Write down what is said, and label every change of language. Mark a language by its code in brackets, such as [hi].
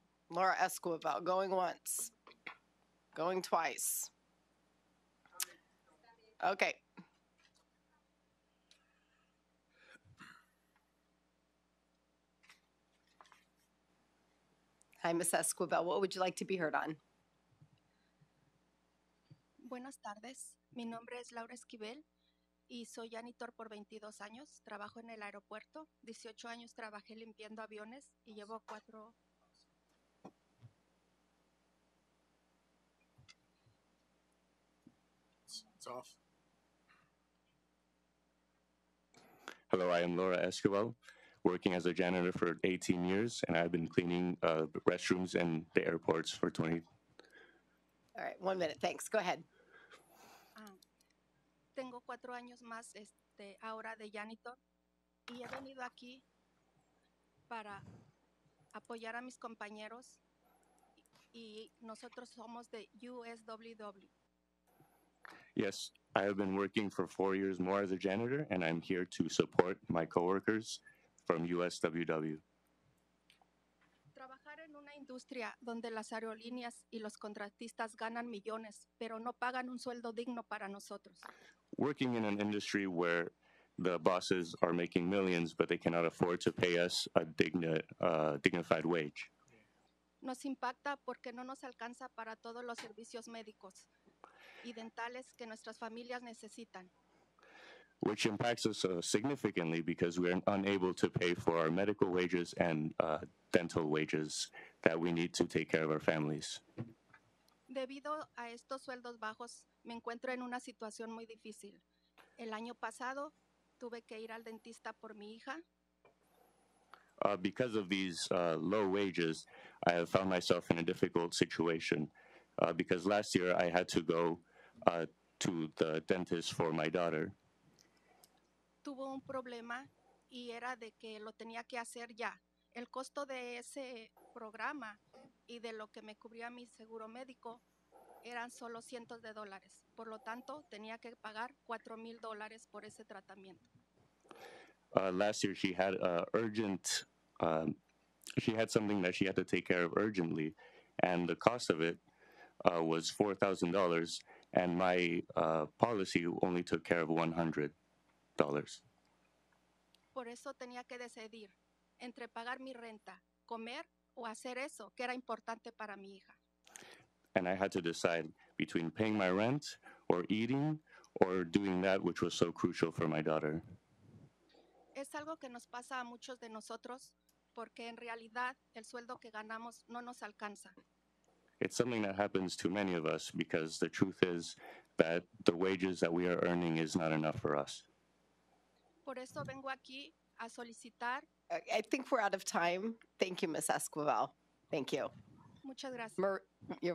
[en] Laura Esquivel, going once, going twice. Okay. Hi, Ms. Esquivel. What would you like to be heard on? [es] Buenas tardes. Mi nombre es Laura Esquivel y soy janitor por 22 años. Trabajo en el aeropuerto. 18 años trabajé limpiando aviones y llevo cuatro. [en] It's off. Hello, I am Laura Esquivel, working as a janitor for 18 years, and I've been cleaning restrooms and the airports for 20. All right, 1 minute, thanks, go ahead. [es] Tengo cuatro años más ahora de janitor, y he venido aquí para apoyar a mis compañeros, y nosotros somos de USWW. [en] Yes, I have been working for 4 years more as a janitor, and I'm here to support my coworkers from USWW. [es] Trabajar en una industria donde las aerolíneas y los contratistas ganan millones, pero no pagan un sueldo digno para nosotros. [en] Working in an industry where the bosses are making millions, but they cannot afford to pay us a dignified wage. [es] Nos impacta porque no nos alcanza para todos los servicios médicos y dentales que nuestras familias necesitan. [en] Which impacts us significantly because we are unable to pay for our medical wages and dental wages that we need to take care of our families. [es] Debido a estos sueldos bajos, me encuentro en una situación muy difícil. El año pasado, tuve que ir al dentista por mi hija. [en] Because of these low wages, I have found myself in a difficult situation because last year I had to go to the dentist for my daughter. [es] Tuvo un problema y era de que lo tenía que hacer ya. El costo de ese programa y de lo que me cubría mi seguro médico eran solo cientos de dólares. Por lo tanto, tenía que pagar $4,000 por ese tratamiento. [en] Last year, she had something that she had to take care of urgently, and the cost of it was $4,000, and my policy only took care of $100. [es] Por eso tenía que decidir entre pagar mi renta, comer o hacer eso que era importante para mi hija. [en] And I had to decide between paying my rent or eating or doing that which was so crucial for my daughter. [es] Es algo que nos pasa a muchos de nosotros porque en realidad el sueldo que ganamos no nos alcanza. [en] It's something that happens to many of us because the truth is that the wages that we are earning is not enough for us. [es] Por eso vengo aquí a solicitar. [en] I think we're out of time. Thank you, Ms. Esquivel. Thank you. [es] Muchas gracias. [en] You're